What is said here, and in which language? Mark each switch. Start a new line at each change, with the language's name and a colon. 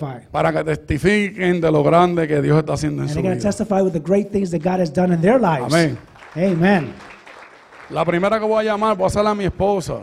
Spanish: Para que testifiquen de lo grande que Dios está haciendo en su vida.
English: And testify with the great things that God has done in their lives.
Spanish: Amén.
English: Amen.
Spanish: La primera que voy a llamar, voy a hacerla a mi esposa.